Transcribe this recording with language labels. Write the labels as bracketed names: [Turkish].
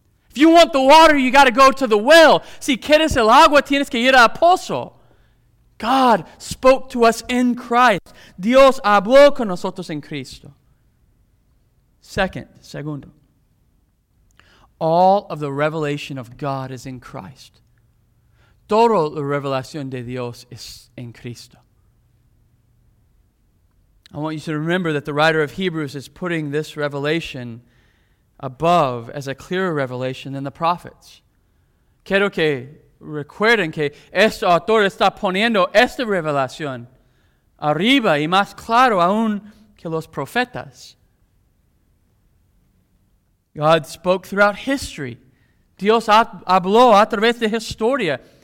[English] If you want the water, you got to go to the well. [Spanish] Si quieres el agua, tienes que ir al pozo. [English] God spoke to us in Christ. [Spanish] Dios habló con nosotros en Cristo. Segundo. [English] All of the revelation of God is in Christ. [Spanish] Toda la revelación de Dios es en Cristo. [English] I want you to remember that the writer of Hebrews is putting this revelation above as a clearer revelation than the prophets. [Spanish] Quiero que recuerden que este autor está poniendo esta revelación arriba y más claro aún que los profetas. [English] God spoke throughout history. [Spanish] Dios habló a través de historia.